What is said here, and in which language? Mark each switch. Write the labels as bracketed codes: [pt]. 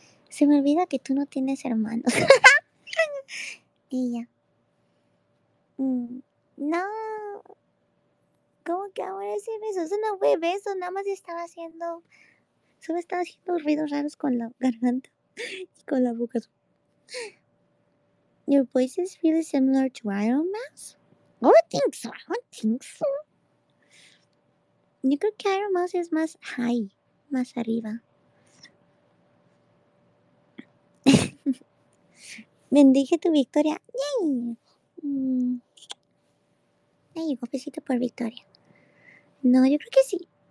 [es] Se me olvida que tú no tienes hermanos. Y ya. ¡No! ¿Cómo que ahora ese beso? Eso no fue beso, nada más estaba haciendo... Solo estaba haciendo ruidos raros con la garganta y con la boca. [en] Your voice is really similar to Iron Mouse? I don't think so. [es] Yo creo que Iron Mouse es más high, más arriba. Bendije tu victoria. Yay! Ahí llegó, besito por victoria. No, yo creo que sí.